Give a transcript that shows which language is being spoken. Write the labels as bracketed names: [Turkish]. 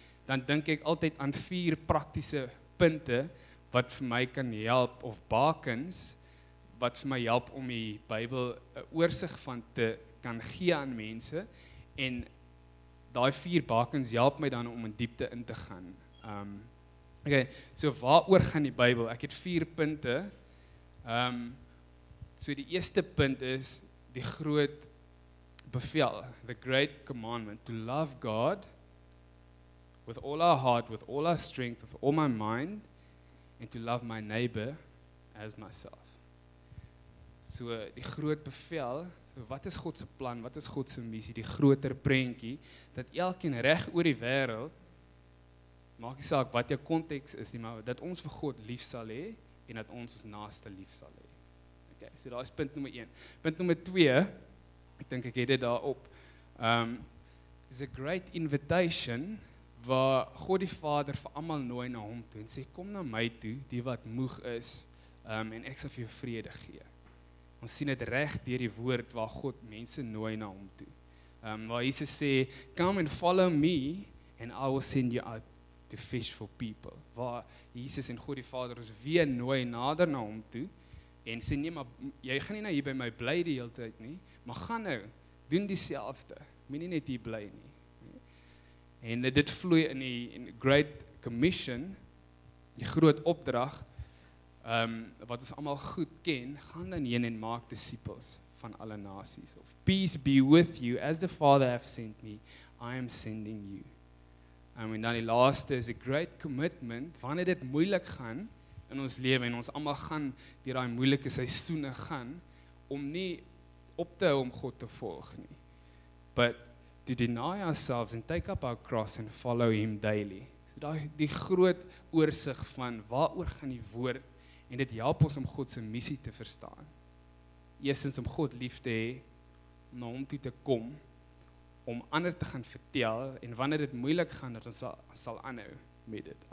[Afrikaans] Dan dink ek altyd aan 4 praktiese punte wat vir my kan help of bakens wat vir my help om die Bybel 'n oorsig van te kan gee aan mense en daai 4 bakens help my dan om in diepte in te gaan. Okay, so waaroor gaan die Bybel? Ek het 4 punte. So die eerste punt is die groot bevel, [English] the great commandment to love God with all our heart, with all our strength, with all my mind and to love my neighbor as myself. [Afrikaans] So die groot bevel, so wat is God se plan? Wat is God se missie? Die groter prentjie dat elkeen reg oor die wêreld, maak nie saak wat jou konteks is nie, maar dat ons vir God lief sal hê en dat ons ons naaste lief sal hê. Okay, so daar is punt nommer 1. Punt nommer 2, ek dink ek het dit daarop. [English] Is a great invitation [Afrikaans] waar God die Vader vir almal nooi na hom toe en sê kom na my toe, die wat moeg is, en ek sal vir jou vrede gee. Ons sien dit reg deur die woord waar God mense nooi na hom toe. Waar Jesus sê, [English] come and follow me and I will send you out to fish for people. [Afrikaans] Waar Jesus en God die Vader ons weer nooi nader na hom toe en sê, nee, maar jy gaan nie nou hier by my bly die hele tyd nie, maar gaan nou, doen dieselfde. Moenie net hier bly nie. En dit vloei in die Great Commission, die groot opdrag, wat ons allemaal goed ken, gaan dan heen en maak disciples van alle nasies. [English] Of peace be with you, as the Father have sent me, I am sending you. [Afrikaans] En dan die laaste is [English] a great commitment, [Afrikaans] wanneer dit moeilik gaan in ons leven, en ons allemaal gaan die daai moeilike seisoene gaan, om nie op te hou om God te volg nie. [English] But to deny ourselves and take up our cross and follow him daily. [Afrikaans] So die groot oorsig van waaroor gaan die woord en dit help ons om God se missie te verstaan. Eerstens om God lief te hê, na hom toe te kom, om ander te gaan vertel, en wanneer dit moeilik gaan, dat ons sal aanhou met dit.